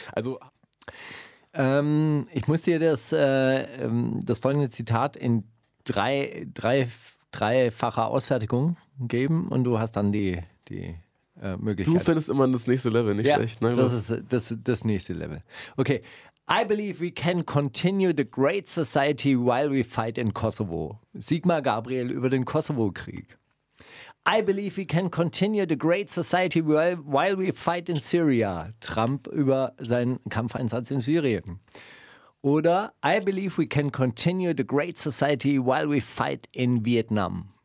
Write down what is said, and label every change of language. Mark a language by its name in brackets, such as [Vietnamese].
[German] Also, ich muss dir das folgende Zitat in dreifacher Ausfertigung geben und du hast dann die Möglichkeit. Du findest immer das nächste Level, nicht schlecht. Ja, das ist das nächste Level. Okay. [English] I believe we can continue the great society while we fight in Kosovo. [German] Sigmar Gabriel über den Kosovo-Krieg. [English] I believe we can continue the great society while we fight in Syria. [German] Trump über seinen Kampfeinsatz in Syrien. [English] Oder I believe we can continue the great society while we fight in Vietnam.